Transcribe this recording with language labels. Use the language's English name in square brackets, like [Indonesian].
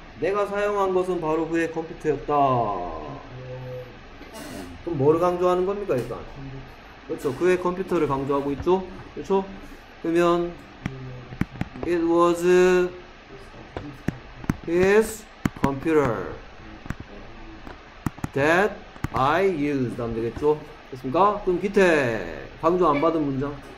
[Korean] 내가 사용한 것은 바로 그의 컴퓨터였다. 그럼 뭐를 강조하는 겁니까, 일단? 그렇죠. 그의 컴퓨터를 강조하고 있죠? 그렇죠? [English] 그러면, it was his computer that I used. [Korean] 하면 되겠죠? 됐습니까? 그럼 기태, 강조 안 받은 문장.